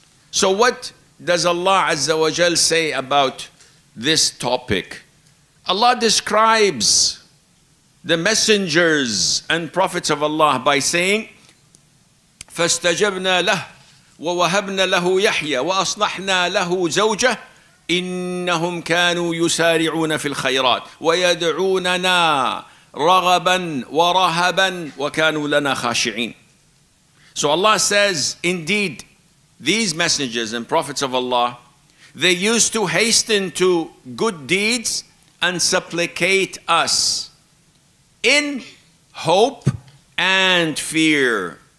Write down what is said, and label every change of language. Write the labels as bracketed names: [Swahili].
[English] So what does Allah Azza wa Jal say about this topic? Allah describes the messengers and prophets of Allah by saying, [Arabic] فَاسْتَجَبْنَا لَهُ وَوَهَبْنَا لَهُ يَحْيَا وَأَصْلَحْنَا لَهُ زَوْجَهُ إنهم كانوا يسارعون في الخيرات ويدعوننا رغبا ورهبا وكانوا لنا خاشعين. [English] So Allah says, indeed, these messengers and prophets of Allah, they used to hasten to good deeds and supplicate us in hope and fear.